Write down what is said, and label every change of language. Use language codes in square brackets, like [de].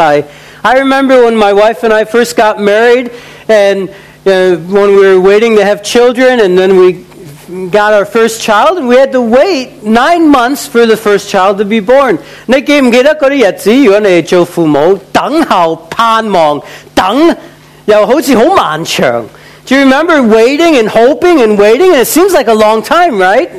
[en] I remember when my wife and I first got married, and when we were waiting to have children, and then we got our first child, and we had to wait 9 months for the first child to be born. [yue] 你记唔记得嗰啲日子？如果你做父母，等候、盼望、等，又好似好漫长。 [en] Do you remember waiting and hoping and waiting? And it seems like a long time, right?